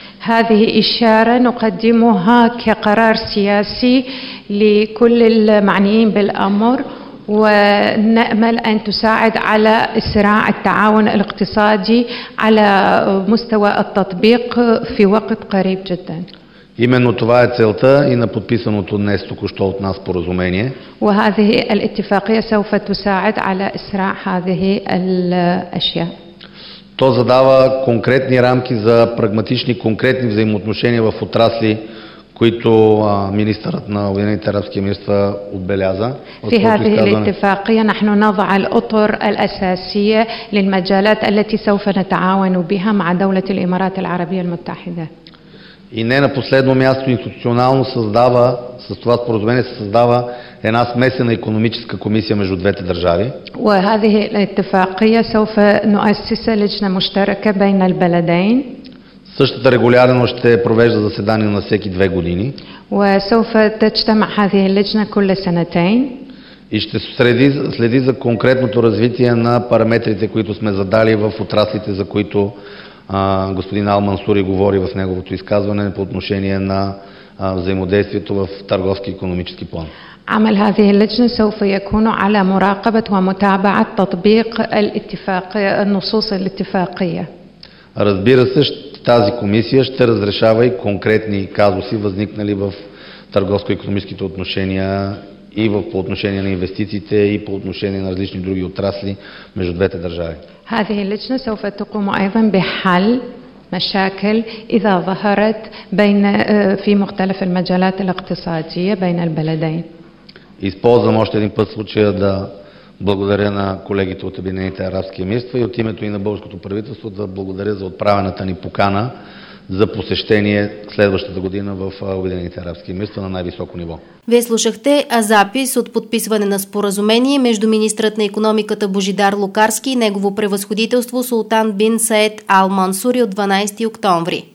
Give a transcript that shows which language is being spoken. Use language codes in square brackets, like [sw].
[ar] هذه إشارة نقدمها كقرار سياسي لكل المعنيين بالأمر ونأمل أن تساعد على إسراع التعاون الاقتصادي على مستوى التطبيق في وقت قريب جدا. [bg] Именно това е целта и на подписаното днес току-що от нас споразумение. [ar] وهذه الاتفاقية سوف تساعد على إسراع هذه الأشياء. [bg] То задава конкретни рамки за прагматични, конкретни взаимоотношения в отрасли, които министърът на Обединените арабски емирства отбеляза. [ar] في هذه الاتفاقية نحن نضع الأطر الأساسية للمجالات التي سوف نتعاون بها مع دولة الإمارات العربية المتحدة. [bg] И не на последно място, институционално създава, с това споразумение се създава една смесена икономическа комисия между двете държави. [ar] وهذه الاتفاقية سوف نؤسس لجنة مشتركة بين البلدين. [bg] Същата регулярно ще провежда заседания на всеки две години. [ar] وسوف تجتمع هذه اللجنة كل سنتين. [bg] И ще следи за конкретното развитие на параметрите, които сме задали в отраслите, за които господин Алмансури говори в неговото изказване по отношение на взаимодействието в търговски и икономически план. [ar] عمل هذه اللجنة سوف يكون على مراقبة ومتابعة تطبيق النصوص الاتفاقية. [bg] Разбира се, тази комисия ще разрешава и конкретни казуси, възникнали в търговско-икономическите отношения и в по отношение на инвестициите и по отношение на различни други отрасли между двете държави. [ar] هذه اللجنة سوف تقوم أيضا بحل مشاكل إذا ظهرت بين في مختلف المجالات الاقتصادية بين البلدين. [bg] Използвам още един път случая да благодаря на колегите от Обединените арабски емирства и от името и на българското правителство да благодаря за отправената ни покана за посещение следващата година в Обединените арабски емирства на най-високо ниво. Вие слушахте запис от подписване на споразумение между министърът на икономиката Божидар Лукарски и негово превъзходителство Султан бин Саед Ал Мансури от 12 октомври.